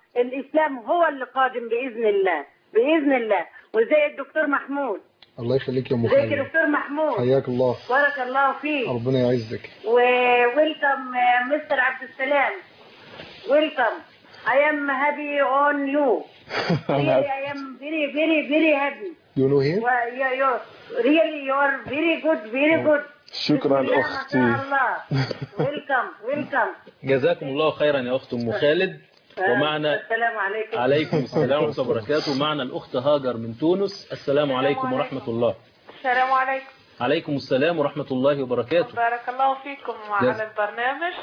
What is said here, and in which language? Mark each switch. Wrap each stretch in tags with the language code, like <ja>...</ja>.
<ar>الإسلام هو اللي قادم بإذن الله. وزي الدكتور محمود، الله يخليك يا أم خالد. زي الدكتور محمود، حياك الله، بارك الله فيك، ربنا يعزك.</ar> <en>وويلكم مستر عبد السلام، welcome. I am happy on you. Really, I am very, very, very happy. You know him? Well, yeah, you're really very good, very good.</en> <ar>شكراً أختي.</ar> <en>Welcome.</en> <ar>جزاكم الله خيراً يا أخت أم خالد. ومعنا السلام عليكم. عليكم السلام ورحمة وبركاته. معنا الأخت هاجر من تونس. السلام عليكم ورحمة الله. السلام عليكم. عليكم السلام ورحمة الله وبركاته. بارك الله فيكم وعلى البرنامج.</ar>